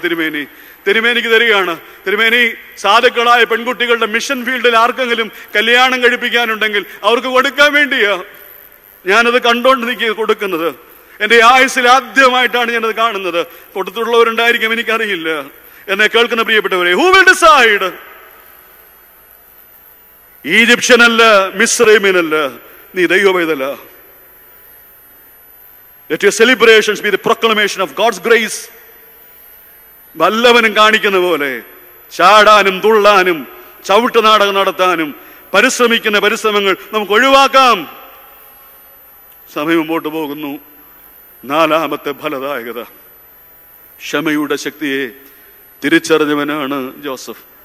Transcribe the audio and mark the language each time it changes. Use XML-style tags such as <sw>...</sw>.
<ml>തിരുമേനി തിരുമേനിക്ക് തരികയാണ്. തിരുമേനി, സാധുക്കളായ പെൺകുട്ടികളുടെ മിഷൻ ഫീൽഡിൽ ആർക്കെങ്കിലും കല്യാണം കഴിപ്പിക്കാനുണ്ടെങ്കിൽ അവർക്ക് കൊടുക്കാൻ വേണ്ടിയാ ഞാനത് കണ്ടോണ്ട് നിൽക്കുക കൊടുക്കുന്നത്. എൻ്റെ ആയുസ്സിൽ ആദ്യമായിട്ടാണ് ഞാനത് കാണുന്നത്. കൊടുത്തിട്ടുള്ളവരുണ്ടായിരിക്കും, എനിക്കറിയില്ല. എന്നെ കേൾക്കുന്ന പ്രിയപ്പെട്ടവരെ,</ml> <en>Who will decide?</en> <ml>ഈജിപ്ഷ്യനല്ല, മിസ്രൈമിനല്ല, നീ ദൈവമേതല്ല.</ml> <en>Let your celebrations be the proclamation of God's grace.</en> <ml>വല്ലവനും കാണിക്കുന്ന പോലെ ചാടാനും തുള്ളാനും ചവിട്ട് നാടകം നടത്താനും പരിശ്രമിക്കുന്ന പരിശ്രമങ്ങൾ നമുക്ക് ഒഴിവാക്കാം. സമയം മുമ്പോട്ട് പോകുന്നു. നാലാമത്തെ ഫലദായകത, ക്ഷമയുടെ ശക്തിയെ തിരിച്ചറിഞ്ഞവനാണ് ജോസഫ്.</ml>